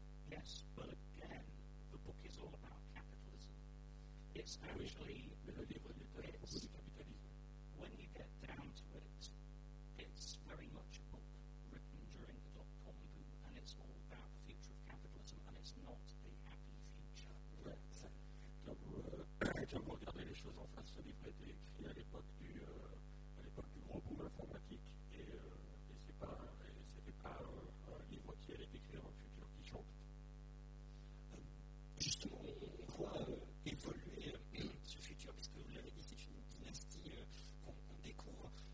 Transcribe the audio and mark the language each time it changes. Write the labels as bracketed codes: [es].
[en] Yes, but again, the book is all about capitalism. It's actually, [fr] le livre de Paul est beaucoup du capitalisme. [en] When you get down to it, it's very much a book written during the dot-com boom, and it's all about the future of capitalism, and it's not a happy future. [fr] Ouais, quand vous regardez les choses en face, ce livre a été écrit à l'époque du gros boom informatique, et c'est pas, c'était pas un livre qui allait décrire un futur qui chante. Justement, on voit évoluer ce futur, parce que vous l'avez dit, c'est une dynastie qu'on découvre.